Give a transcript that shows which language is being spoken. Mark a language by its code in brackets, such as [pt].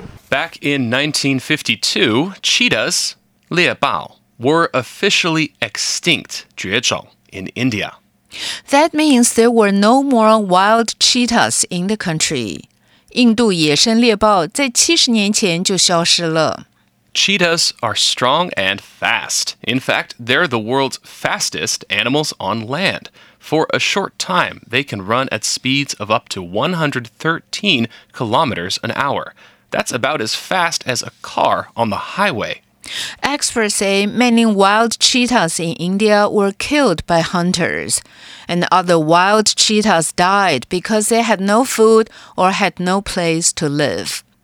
[en] Back in 1952, cheetahs, 猎豹, were officially extinct, 绝种, in India. That means there were no more wild cheetahs in the country. [zh] 印度野生猎豹在70年前就消失了。 [en] Cheetahs are strong and fast. In fact, they're the world's fastest animals on land. For a short time, they can run at speeds of up to 113 kilometers an hour. That's about as fast as a car on the highway. Experts say many wild cheetahs in India were killed by hunters, and other wild cheetahs died because they had no food or had no place to live.